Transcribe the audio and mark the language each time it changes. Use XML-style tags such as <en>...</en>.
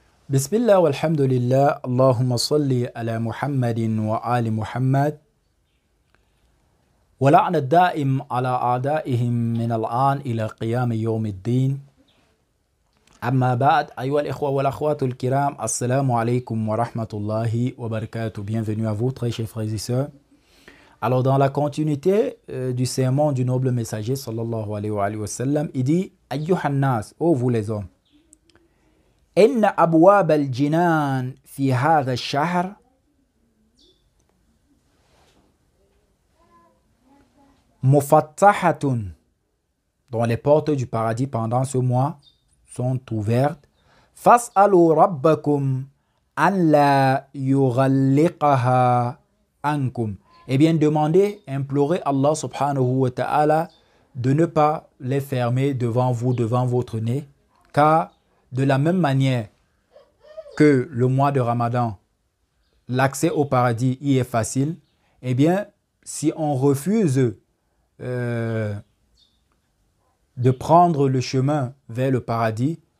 <ar>بسم الله والحمد لله، اللهم صل على محمد وآل محمد، ولعن الدائم على أعدائهم من الآن إلى قيام يوم الدين. أما بعد، أيها الإخوة والأخوات الكرام، السلام عليكم ورحمة الله وبركاته.</ar> <fr>Bienvenue à vous, très chers frères et sœurs. Alors, dans la continuité du sermon du noble messager, sallallahu alayhi wa sallam, il dit,</fr> <ar>أيها الناس,</ar> <fr>ô vous les hommes,</fr> <ar>إن أبواب الجنان في هذا الشهر مفتحة.</ar> <fr>Donc les portes du paradis pendant ce mois sont ouvertes.</fr> <ar>فاسألوا ربكم أن لا يغلقها عنكم.</ar> <fr>Eh bien, demandez, implorez Allah subhanahu wa ta'ala de ne pas les fermer devant vous, devant votre nez, car de la même manière que le mois de Ramadan, l'accès au paradis y est facile, eh bien, si on refuse de prendre le chemin vers le paradis,</fr>